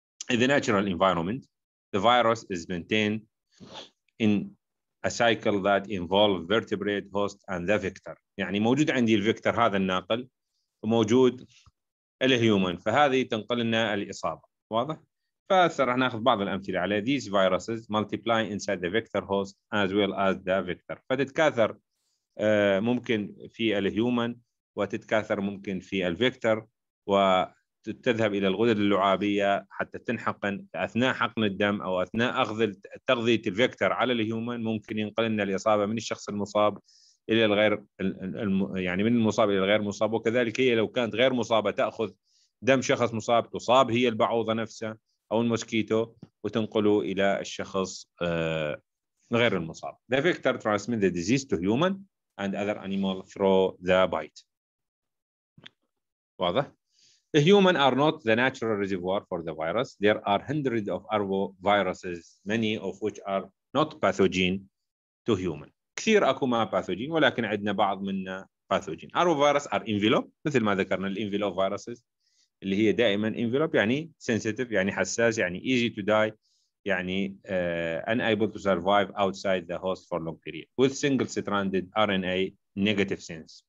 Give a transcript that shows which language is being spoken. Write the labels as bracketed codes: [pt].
[en] In the natural environment, the virus is maintained in a cycle that involves vertebrate host and the vector. [ar] يعني موجود عندي الفيكتور هذا الناقل، وموجود الهيومن، فهذه تنقل لنا الاصابه، واضح؟ فسرح ناخذ بعض الامثله على [en] these viruses multiply inside the vector host as well as the vector. [ar] فتتكاثر ممكن في الهيومن، وتتكاثر ممكن في الفيكتور، وتذهب الى الغدد اللعابيه حتى تنحقن. اثناء حقن الدم او اثناء اخذ تغذيه الفيكتور على الهيومن ممكن ينقل لنا الاصابه من الشخص المصاب الى الغير، يعني من المصاب الى الغير مصاب، وكذلك هي لو كانت غير مصابه تاخذ دم شخص مصاب تصاب هي البعوضه نفسها أو الموسكيتو وتنقله إلى الشخص غير المصاب. [en] The vector transmits the disease to human and other animals through the bite. [ar] واضح؟ [en] The human are not the natural reservoir for the virus. There are hundreds of arboviruses, many of which are not pathogen to human. [ar] كثير أكو ما pathogen، ولكن عندنا بعض منا pathogen. [en] Arbovirus are envelope، [ar] مثل ما ذكرنا الـ [en] envelope viruses، [ar] اللي هي دائما انفلوب يعني [en] sensitive [ar] يعني حساس يعني [en] easy to die يعني unable to survive outside the host for long period with single stranded RNA negative sense.